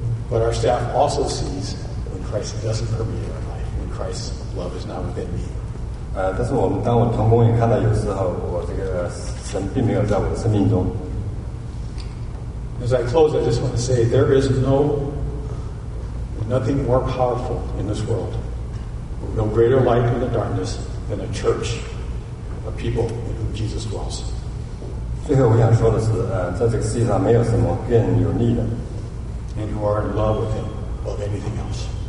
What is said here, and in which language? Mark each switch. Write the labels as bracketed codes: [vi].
[en] But our staff also sees when Christ doesn't permeate our life, when Christ's love is not within me. [zh] 但是我们当我同工也看到有时候我这个神并没有在我的生命中。 [en] As I close, I just want to say there is nothing more powerful in this world, no greater light in the darkness than a church, a people in whom Jesus dwells. [zh] 最后我想说的是，在这个世界上没有什么更有力的， [en] and who are in love with him above anything else.